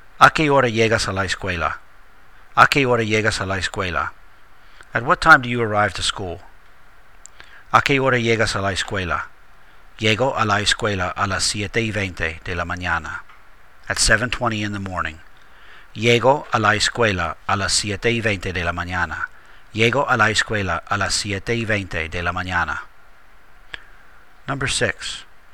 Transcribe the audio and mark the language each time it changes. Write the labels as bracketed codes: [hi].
[es] ¿A qué hora llegas a la escuela? ¿A qué hora llegas a la escuela? [en] At what time do you arrive to school? [es] ¿A qué hora llegas a la escuela? Llego a la escuela a las 7:20 de la mañana. [en] At 7:20 in the morning. [es] Llego a la escuela a las 7:20 de la mañana. Llego a la escuela a las 7:20 de la mañana. [en] Number 6.